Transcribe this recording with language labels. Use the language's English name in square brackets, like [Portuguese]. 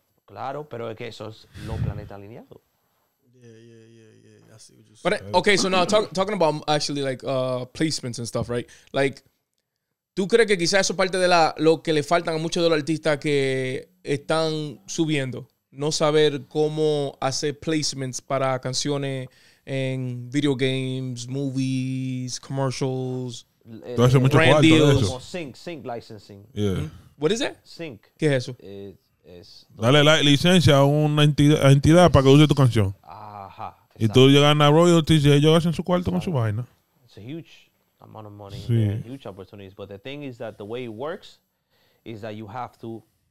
[Spanish] Claro, pero es que eso es lo planeta alineado. [English] Yeah, I see what you're saying. But okay, so now talking about actually like placements and stuff, right? [Spanish] Like, ¿tú crees que quizás eso parte de lo que le faltan a muchos de los artistas que están subiendo? No saber cómo hacer placements para canciones en video games, movies, commercials, [English] brand deals. Sync licensing. Yeah. Mm-hmm. What is that? Sync. [Spanish] ¿Qué es eso? Dale la licencia a una entidad para que use tu canción. Ajá, y tú llegas a royalties y ellos hacen su cuarto con su vaina. [English] It's a huge amount of money, sí. And a huge opportunities. But the thing is that the way it works is that you have to